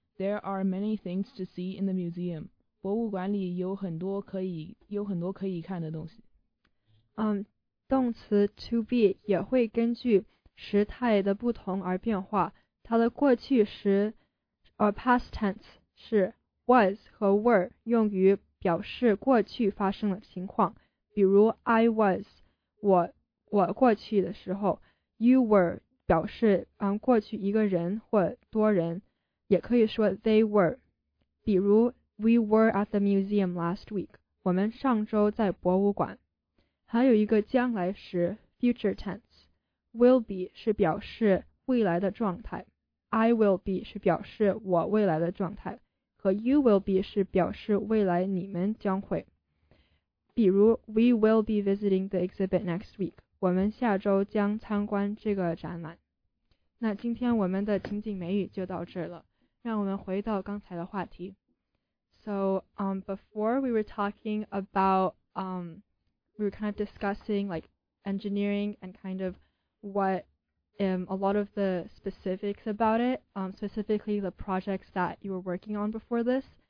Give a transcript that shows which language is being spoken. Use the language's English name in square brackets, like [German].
[English] There are many things to see in the museum. [Chinese] 博物馆里有很多可以看的东西。动词 to be 也会根据时态的不同而变化。它的过去时 past tense 是 was 和 were 用于表示过去发生的情况。比如 I was 我过去的时候 ，you were 表示过去一个人或多人，也可以说 they were。 [English] 比如 we were at the museum last week， [Chinese] 我们上周在博物馆。还有一个将来时 future tense， will be 是表示未来的状态 ，I will be 是表示我未来的状态，和 you will be 是表示未来你们将会。 [English] 比如 we will be visiting the exhibit next week。 [Chinese] 我们下周将参观这个展览。那今天我们的情景美语就到这了。让我们回到刚才的话题。 [English] So, before we were talking about, we were kind of discussing like engineering and kind of what, a lot of the specifics about it, specifically the projects that you were working on before this.